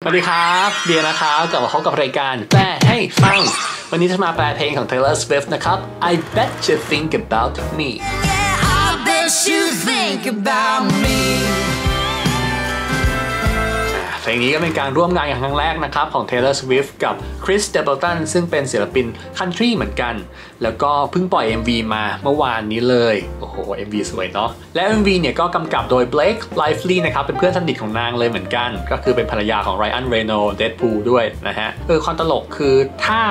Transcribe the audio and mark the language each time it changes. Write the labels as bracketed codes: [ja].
[th] สวัสดีครับเบียร์นะครับกลับมาพบกับรายการแปลให้ฟังวันนี้จะมาแปลเพลงของ Taylor Swift นะครับ I bet you think about me [en] Yeah I bet you think about me [th] เพลงนี้ก็เป็นการร่วมงานอย่างครั้งแรกนะครับของ Taylor Swift กับ Chris Stapleton ซึ่งเป็นศิลปินคันทรีเหมือนกันแล้วก็เพิ่งปล่อย MV มาเมื่อวานนี้เลยโอ้โห MV สวยเนาะและ MV เนี่ยก็กำกับโดย Blake Lively นะครับเป็นเพื่อนสนิทของนางเลยเหมือนกันก็คือเป็นภรรยาของ Ryan Reynolds Deadpool ด้วยนะฮะความตลกคือถ